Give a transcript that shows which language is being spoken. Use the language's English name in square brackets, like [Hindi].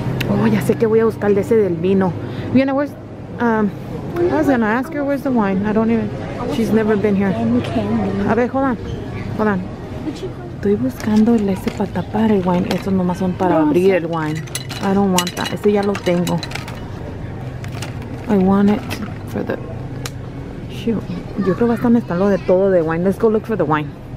[Spanish] Oh, ya sé que voy a buscar de ese del vino. [English] Viviana, where's... I was gonna ask her, where's the wine? I don't even... She's never been here. [Spanish] A ver, [English] hold on. Hold on. [Spanish] Estoy buscando el ese para tapar el wine. Esos nomás son para abrir el wine. [English] I don't want that. [Spanish] Ese ya lo tengo. [English] I want it for the... Shoot. [Spanish] Yo creo que va a estar lo de todo de wine. [English] Let's go look for the wine.